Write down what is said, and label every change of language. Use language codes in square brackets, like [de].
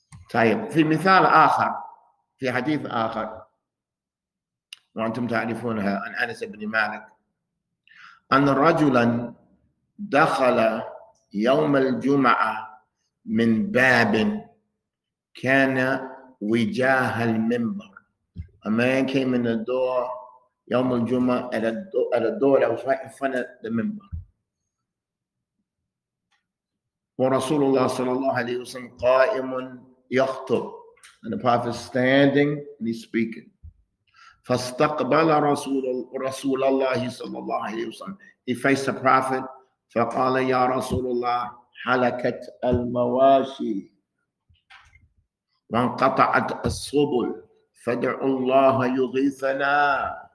[ar] طيب، في مثال آخر، في حديث آخر، وأنتم تعرفونها، عن أنس بن مالك، أن رجلا دخل يوم الجمعة من باب كان وجاه المنبر. [en] A man came in the door [ar] يوم الجمعة [en] at a door that was right in front of the minbar. [ar] ورسول الله صلى الله عليه وسلم قائم يخطب. [en] And the prophet is standing and he's speaking. [ar] فاستقبل رسول الله صلى الله عليه وسلم. [en] He faced the prophet. [ar] فقال يا رسول الله حلكت المواشي وانقطعت السبل فدع الله يغيثنا.